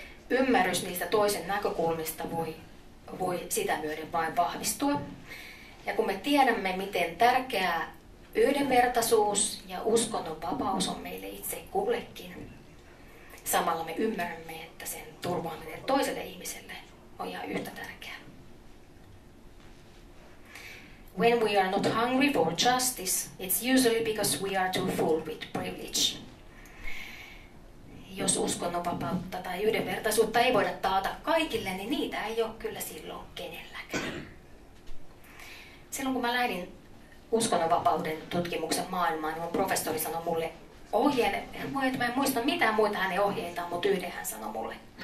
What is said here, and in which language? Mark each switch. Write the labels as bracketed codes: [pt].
[fi] Ymmärrys niistä toisen näkökulmista voi sitä myöden vain vahvistua. Ja kun me tiedämme, miten tärkeää yhdenvertaisuus ja uskonnonvapaus on meille itse kullekin, samalla me ymmärrämme, että sen turvaaminen toiselle ihmiselle on ihan yhtä tärkeää. [en] When we are not hungry for justice, it's usually because we are too full with privilege. [fi] Jos uskonnonvapautta tai yhdenvertaisuutta ei voida taata kaikille, niin niitä ei ole kyllä silloin kenelläkään. Silloin kun mä lähdin uskonnonvapauden tutkimuksen maailmaan, niin mun professori sanoi mulle ohjeen, että mä en muista mitään muita hänen ohjeitaan, mutta yhden hän sanoi mulle.